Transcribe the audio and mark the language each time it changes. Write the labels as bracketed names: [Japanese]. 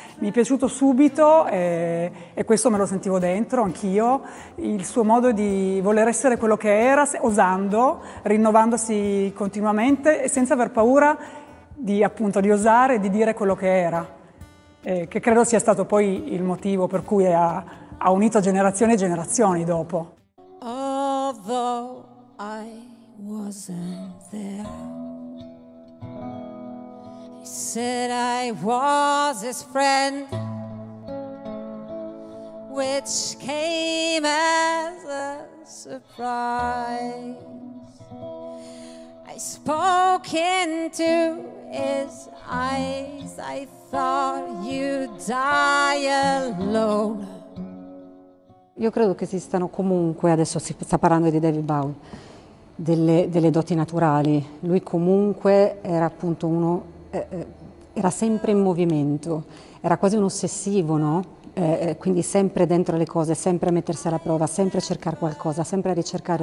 [Italian] Mi è piaciuto subito e questo me lo sentivo dentro, anch'io, il suo modo di voler essere quello che era, osando, rinnovandosi continuamente e senza aver paura di, appunto, di osare e di dire quello che era. Che credo sia stato poi il motivo per cui ha unito generazioni e generazioni dopo. [English] Although I wasn't there, he said I was his friend, which came as a surprise. I spoke into his eyes, I thought you'd die alone. [Italian] Io credo che esistano comunque, adesso si sta parlando di David Bowie, delle doti naturali. Lui comunque era appunto uno, era sempre in movimento, era quasi un ossessivo, no? Quindi sempre dentro le cose, sempre a mettersi alla prova, sempre a cercare qualcosa, sempre a ricercare.